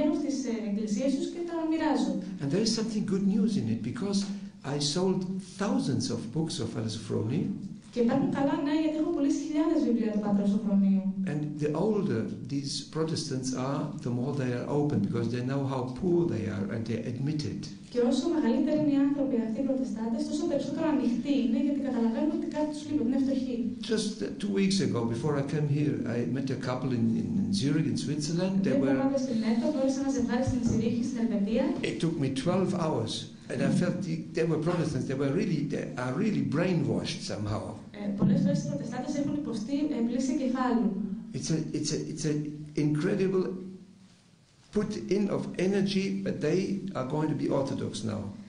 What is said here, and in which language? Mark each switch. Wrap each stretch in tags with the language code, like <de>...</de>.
<en>And there is something good news in it, because I sold thousands of books of Father Zaffroni. And the older these Protestants are, the more they are open, because they know how poor they are and they admit it.</en> <el>Και όσο μεγαλύτεροι είναι οι άνθρωποι αυτοί οι Προτεστάντες, τόσο περισσότερο ανοιχτοί είναι, γιατί καταλαβαίνουν ότι κάτι τους λείπει, ότι είναι φτωχοί.</el> <en>Just 2 weeks ago, before I came here, I met a couple in Zurich, in Switzerland. They were.</en> <el>Γνώρισα ένα ζευγάρι στην Ζουρίχη, στην Ελβετία.</el> <en>It took me 12 hours, and I felt they were Protestants. They are really brainwashed somehow.</en> <el>Πολλές φορές οι Προτεστάντες έχουν υποστεί εμπλήση κεφάλου.</el> <en>It's an incredible put in of energy, but they are going to be Orthodox now.</en>